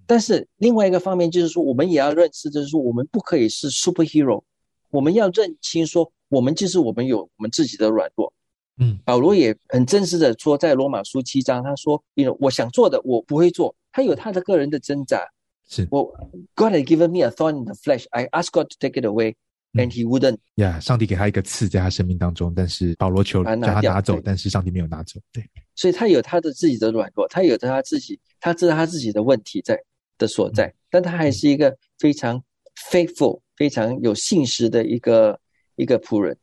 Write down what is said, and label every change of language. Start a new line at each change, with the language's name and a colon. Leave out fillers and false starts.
Chinese: 但是另外一个方面就是说，我们也要认识，就是说我们不可以是 superhero， 我们要认清说。我们就是我们有我们自己的软弱，保罗也很真实的说，在罗马书七章，他说，你 know, 我想做的我不会做，他有他的个人的挣扎。是，
English: 我 God had given me a thorn in the flesh, I asked God to take it away, and He wouldn't.
Chinese: Yeah, 上帝给他一个刺在他生命当中，但是保罗求叫他拿走，但是上帝没有拿走。对，所以他有他的自己的软弱，他有他自己，他知道他自己的问题在的所在，但他还是一个非常 faithful、非常有信实的一个仆人。